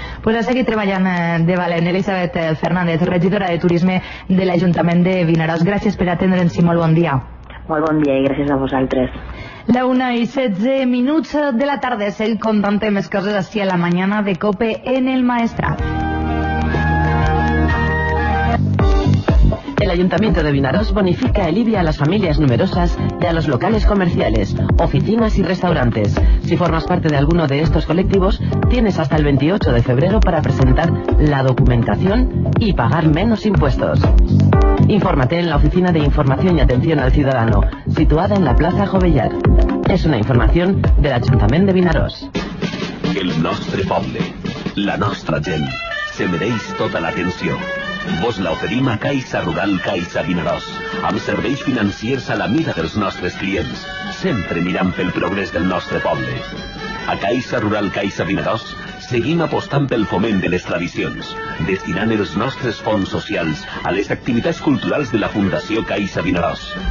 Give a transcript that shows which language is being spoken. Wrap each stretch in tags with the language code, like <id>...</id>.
<ca>Pues a seguir treballant de valent, Elisabet Fernández, regidora de Turisme de l'Ajuntament de Vinaròs. Gràcies per atendre'ns i molt bon dia. Molt bon dia i gràcies a vosaltres. La 1:16 de la tarda, seguim contant més coses així a la mañana de COPE en el Maestrat.</ca> <es>El Ayuntamiento de Vinaròs bonifica el IBI a las familias numerosas y a los locales comerciales, oficinas y restaurantes. Si formas parte de alguno de estos colectivos, tienes hasta el 28 de febrero para presentar la documentación y pagar menos impuestos. Infórmate en la Oficina de Información y Atención al Ciudadano, situada en la Plaza Jovellar. Es una información del Ayuntamiento de Vinaròs.</es> <ca>El nostre poble, la nostra gent, se mereix</ca> <es>toda la atención.</es> <ca>Vos la oferim a Caixa Rural Caixa Vinaròs, amb serveis financiers a la mida dels nostres clients, sempre mirant pel progrés del nostre poble. A Caixa Rural Caixa Vinaròs seguim apostant pel foment de les tradicions, destinant els nostres fons socials a les activitats culturals de la Fundació Caixa Vinaròs.</ca>